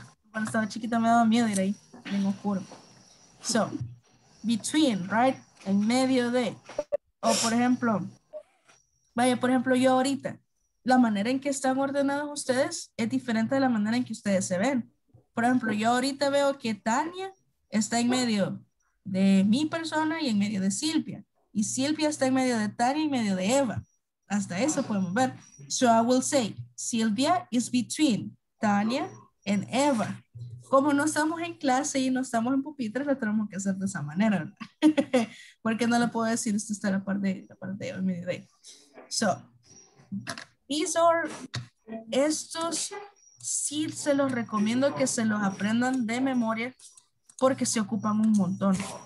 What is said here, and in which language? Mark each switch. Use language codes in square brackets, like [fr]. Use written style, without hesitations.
[es] Cuando estaba chiquita me daba miedo ir ahí, bien oscuro. [en] So, between, right, [es] en medio de, o por ejemplo, vaya, por ejemplo, yo ahorita, la manera en que están ordenados ustedes es diferente de la manera en que ustedes se ven. Por ejemplo, yo ahorita veo que Tania está en medio de mi persona y en medio de Silvia. Y Silvia está en medio de Tania y en medio de Eva. Hasta eso podemos ver. [en] So I will say, Silvia is between Tania and Eva. [es] Como no estamos en clase y no estamos en pupitres, lo tenemos que hacer de esa manera, ¿no? Porque no le puedo decir, esto está la parte de Eva en medio de ella. So, estos... Sí, se los recomiendo que se los aprendan de memoria porque se ocupan un montón.